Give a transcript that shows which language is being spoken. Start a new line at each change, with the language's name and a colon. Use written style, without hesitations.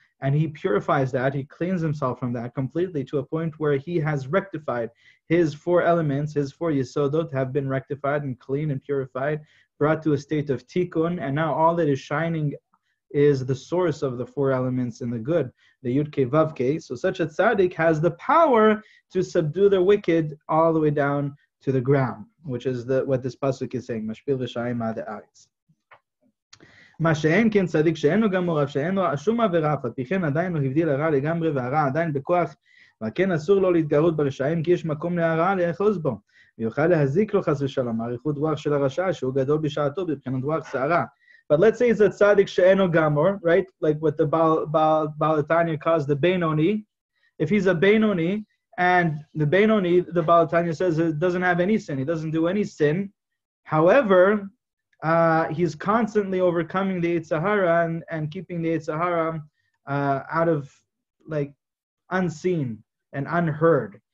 English: And he purifies that, he cleans himself from that completely to a point where he has rectified his four elements, his four yesodot have been rectified and clean and purified, brought to a state of tikkun, and now all that is shining is the source of the four elements in the good, the yudke vavke. So such a tzaddik has the power to subdue the wicked all the way down to the ground, which is what this pasuk is saying,
Hebrew: mashpil v'shayim ad ha'aretz. מה שאין כן צדיק שאינו גמור אף שאינו שום עבירה אף על פי כן עדיין הוא הבדיל הרע לגמרי והרע עדיין בכוח וכן אסור לו להתגרות ברשעים כי יש מקום להרע לאחוז בו ויוכל להזיק לו חס ושלום עריכות רוח של הרשע שהוא גדול בשעתו בבחינת רוח שערה.
English: But let's say he's a
Hebrew: tzaddik she'eno gamor,
English: right? Like what the Balatanya calls the Beinoni. If he's a Beinoni, and the Beinoni, the Balatanya says, it doesn't have any sin, he doesn't do any sin. However, he's constantly overcoming the Yitzhahara and keeping the Yitzhahara out of, like, unseen and unheard.